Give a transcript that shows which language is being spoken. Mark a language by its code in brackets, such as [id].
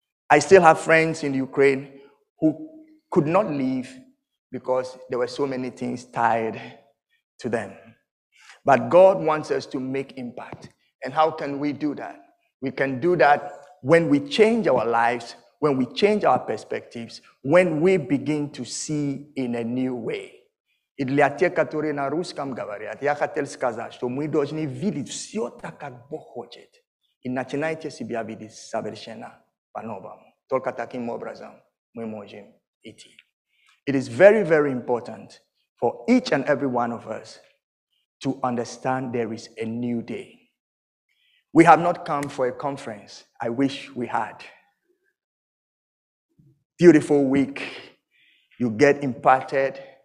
[en] I still have friends in Ukraine who could not leave because there were so many things tied to them. But God wants us to make impact. And how can we do that? We can do that when we change our lives, when we change our perspectives, when we begin to see in a new way. [ru] И для тех, которые на русском говорят, я хотел сказать, что мы должны видеть все так, как Бог хочет. И начинайте себя видеть совершенно по-новому. Только таким образом мы можем идти. [en] It is very, very important for each and every one of us to understand there is a new day. We have not come for a conference. I wish we had. Beautiful week. You get impacted.